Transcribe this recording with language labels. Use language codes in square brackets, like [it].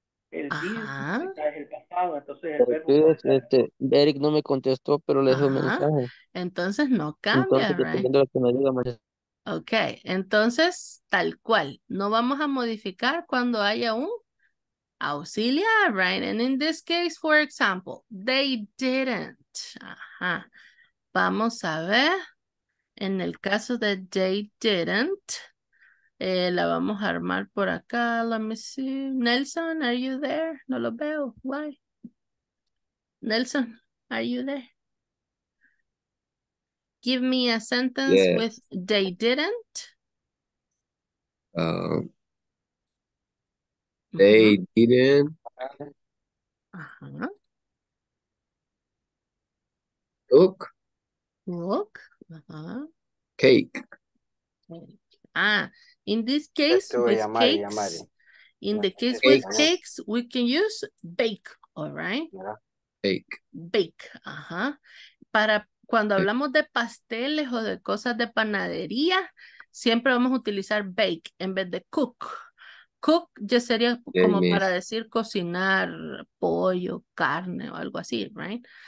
[es] El día está en el pasado, entonces el verbo. Eric no me contestó, pero le dejé un mensaje. Entonces no cambia, entonces, [en] right? [es] Que me diga, Ok, entonces, tal cual, no vamos a modificar cuando haya un auxiliar, [en] right? And in this case, for example, they didn't. [es] Ajá. Vamos a ver, en el caso de they didn't, la vamos a armar por acá, [en] let me see. Nelson, are you there? [es] No lo veo, [en] why? Nelson, are you there? Give me a sentence yes. With they didn't. They didn't. Uh-huh. Look. Look. Uh-huh. Cake. Ah, in this case, with cakes, in the case with cakes, we can use bake, all right? Yeah. Bake. Bake, uh-huh. [es] Para cuando hablamos de pasteles o de cosas de panadería, siempre vamos a utilizar bake en vez de cook. Cook ya sería como para decir cocinar pollo, carne o algo así, [en] right?